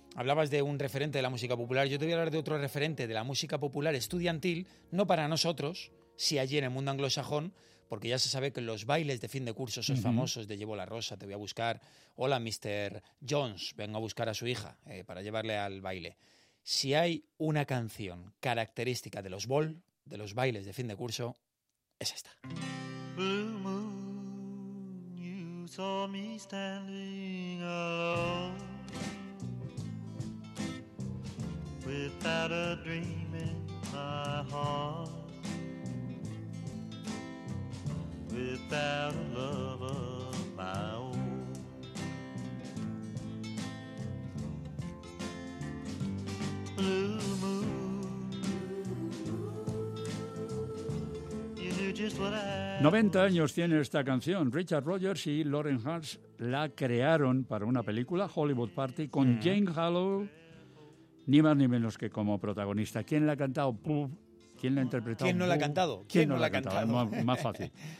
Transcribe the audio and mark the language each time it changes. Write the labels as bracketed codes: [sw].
[es] Hablabas de un referente de la música popular. Yo te voy a hablar de otro referente de la música popular estudiantil, no para nosotros, si allí en el mundo anglosajón, porque ya se sabe que los bailes de fin de curso, esos famosos de Llevo la rosa, te voy a buscar, hola, Mr. Jones, vengo a buscar a su hija para llevarle al baile. Si hay una canción característica de los ball, de los bailes de fin de curso, es esta. [en] Blue moon, you saw me standing alone, without a dream in my heart. Without a love of my own, blue moon, you knew just what I... [es] 90 años tiene esta canción. Richard Rodgers y Lauren Hart la crearon para una película, Hollywood Party, con Jane Harlow, ni más ni menos que como protagonista. ¿Quién la ha cantado? ¿Quién la ha interpretado? ¿Quién no la ha cantado? ¿Quién no la ha cantado? Más fácil.